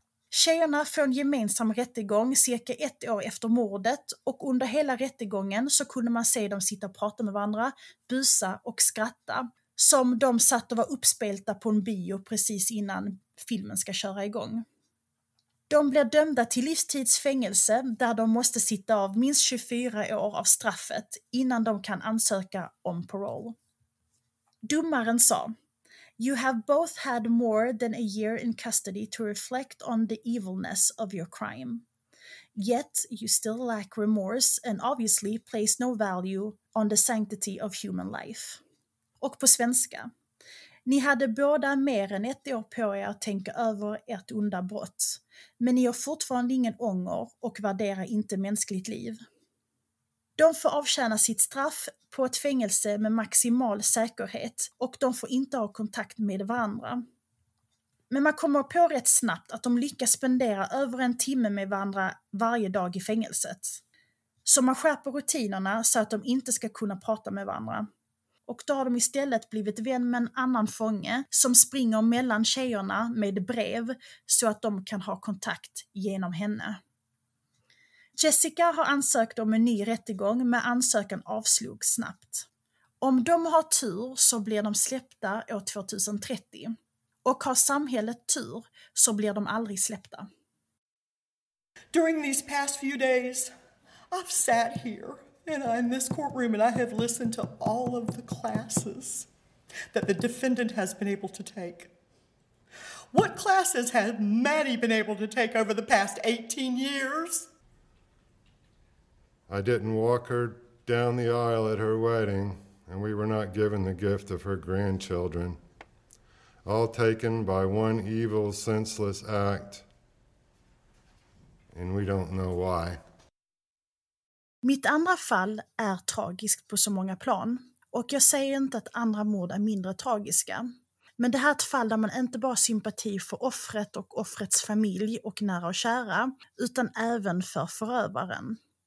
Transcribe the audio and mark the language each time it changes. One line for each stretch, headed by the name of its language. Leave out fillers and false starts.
Swedish: Tjejerna får en gemensam rättegång cirka 1 år efter mordet, och under hela rättegången så kunde man se dem sitta och prata med varandra, busa och skratta, som de satt och var uppspelta på en bio precis innan filmen ska köra igång. De blir dömda till livstidsfängelse där de måste sitta av minst 24 år av straffet innan de kan ansöka om parole.
English: Domaren sa: "You have both had more than a year in custody to reflect on the evilness of your crime. Yet you still lack remorse and obviously place no value on the sanctity of human life."
Swedish: Och på svenska: "Ni hade båda mer än 1 år på er att tänka över ert onda brott, men ni har fortfarande ingen ånger och värderar inte mänskligt liv." De får avtjäna sitt straff på ett fängelse med maximal säkerhet, och de får inte ha kontakt med varandra. Men man kommer på rätt snabbt att de lyckas spendera över en timme med varandra varje dag i fängelset. Så man skärper rutinerna så att de inte ska kunna prata med varandra. Och då har de istället blivit vän med en annan fånge som springer mellan tjejerna med brev så att de kan ha kontakt genom henne. Jessica har ansökt om en ny rättegång, men ansökan avslog snabbt. Om de har tur så blir de släppta år 2030. Och har samhället tur så blir de aldrig släppta.
English: "During these past few days, I've sat here. And I'm in this courtroom and I have listened to all of the classes that the defendant has been able to take. What classes has Maddie been able to take over the past 18 years? I didn't walk her down the aisle at her wedding, and we were not given the gift of her grandchildren, all taken by one evil, senseless act, and we don't know why."
Swedish: Mitt andra fall är tragiskt på så många plan, och jag säger inte att andra mord är mindre tragiska. Men det här är ett fall där man inte bara har sympati för offret och offrets familj och nära och kära, utan även för förövaren.